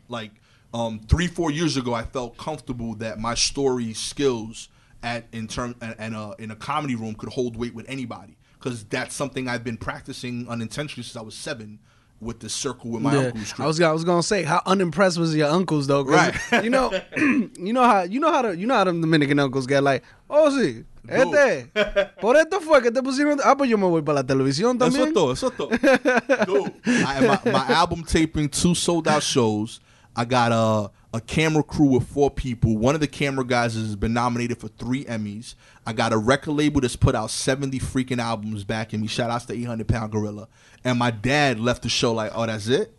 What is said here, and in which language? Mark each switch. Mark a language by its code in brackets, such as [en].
[en] Like 3-4 years ago, I felt comfortable that my story skills in a comedy room could hold weight with anybody, because that's something I've been practicing unintentionally since I was 7, with the circle with my uncle's group. I was gonna say, how unimpressed was your uncles though? Right. You know, you know how the Dominican uncles get, like, [es] oh sí, este, por esto fue que te pusieron. Ah, pues yo me voy para la televisión también. Eso todo. [en] My album taping, 2 sold out shows. I got a camera crew with 4 people. One of the camera guys has been nominated for 3 Emmys. I got a record label that's put out 70 freaking albums back in me. Shout out to 800 Pound Gorilla. And my dad left the show like, oh, that's it?